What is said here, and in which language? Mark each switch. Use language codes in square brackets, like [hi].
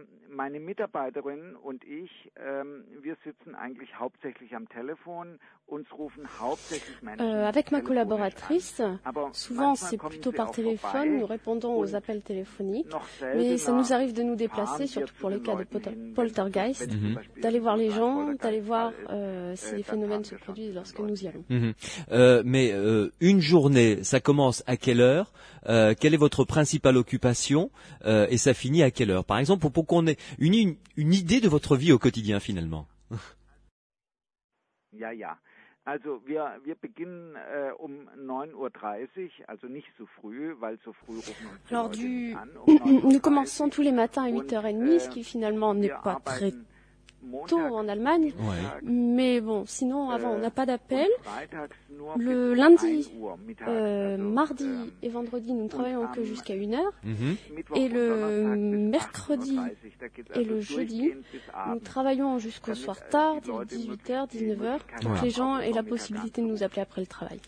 [de] Meine Mitarbeiterin und ich, wir sitzen eigentlich hauptsächlich am Telefon. Uns rufen hauptsächlich Menschen. [fr] Avec ma collaboratrice, souvent c'est plutôt par téléphone, nous répondons aux appels téléphoniques. Mais ça nous arrive de nous déplacer, surtout pour les cas de poltergeist, d'aller voir les gens, d'aller voir si les phénomènes se produisent lorsque nous y allons. Mm-hmm. Une journée, ça commence à quelle heure? Quelle est votre principale occupation? Et ça finit à quelle heure? Par exemple, pour qu'on ait une idée de votre vie au quotidien, finalement. [de] Ja, ja. Also wir beginnen um 9:30, also nicht so früh, weil so früh rufen uns die Leute an. [fr] Nous commençons tous les matins à 8:30, ce qui finalement n'est pas très tôt en Allemagne. Ouais. Mais bon, sinon avant on n'a pas d'appel. Le lundi, mardi et vendredi, nous ne travaillons que jusqu'à 1h. Et le mercredi et le jeudi, nous travaillons jusqu'au soir tard, 18h, 19h, pour que les gens aient la possibilité de nous appeler après le travail.